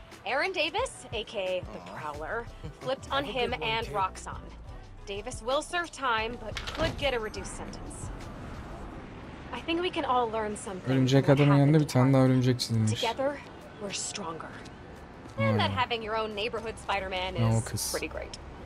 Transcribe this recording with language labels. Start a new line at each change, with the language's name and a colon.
English: Aaron Davis, aka the Prowler, flipped on him and Roxxon. Davis will serve time, but could get a reduced sentence. I think we can all learn something.
Turkish: Örümcek adamın yanında bir tane daha örümcek çizilmiş.
English: Together, we're stronger. And that having your own neighborhood Spider-Man is pretty great.